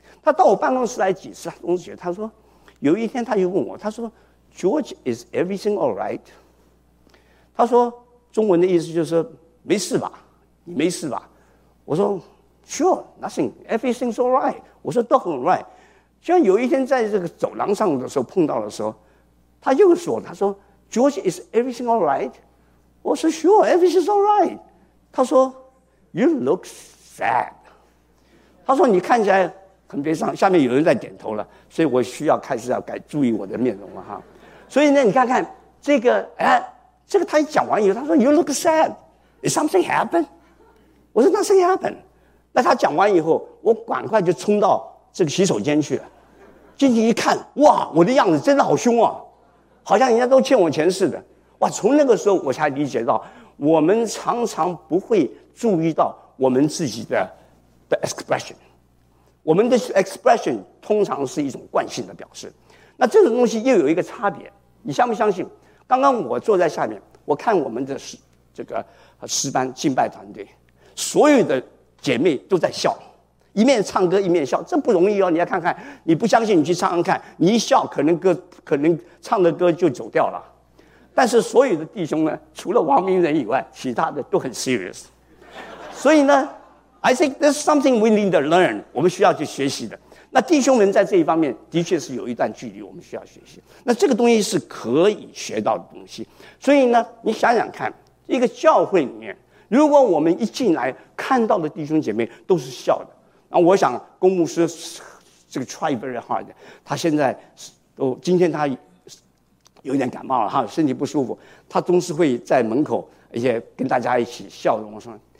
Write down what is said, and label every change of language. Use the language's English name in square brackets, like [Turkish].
[Chinese] 她到我办公室来几次，总觉得她说，有一天她就问我，她说 ， [English] George is everything all right？ [Chinese] 她说中文的意思就是没事吧，你没事吧？我说 [English] ，Sure， nothing， everything's all right。 [Chinese] 我说都很 right。就像有一天在这个走廊上的时候碰到的时候。他又说，他说 [English] George is everything all right？ [Chinese] 我说 [English] Sure， everything's all right。 [Chinese] 他说 [English] You look sad。 [Chinese] 他说你看起来很悲伤，下面有人在点头了，所以我需要开始要改注意我的面容了哈。所以呢你看看这个，哎，这个他一讲完以后，他说 [English] You look sad， Is something happen？ [Chinese] 我说 [English] Nothing happen。 [Chinese] 那他讲完以后，我赶快就冲到这个洗手间去了，进去一看，哇，我的样子真的好凶啊，好像人家都欠我钱似的。哇，从那个时候我才理解到，我们常常不会注意到我们自己的 expression。我们的 expression 通常是一种惯性的表示。那这种东西又有一个差别，你相不相信，刚刚我坐在下面，我看我们的这个诗班敬拜团队所有的姐妹都在笑，一面唱歌一面笑，这不容易哦。你要看看，你不相信你去唱唱看，你一笑可能唱的歌就走掉了。但是所有的弟兄呢，除了王明仁以外，其他的都很 serious。所以呢 [English] I think there's something we need to learn， [Chinese] 我们需要去学习的。那弟兄们在这一方面的确是有一段距离，我们需要学习。那这个东西是可以学到的东西。所以呢你想想看，一个教会里面，如果我们一进来看到的弟兄姐妹都是笑的，然后我想公牧师这个 [English] try very hard， [Chinese] 他现在都今天他有点感冒了哈，身体不舒服，他总是会在门口而且跟大家一起笑容说。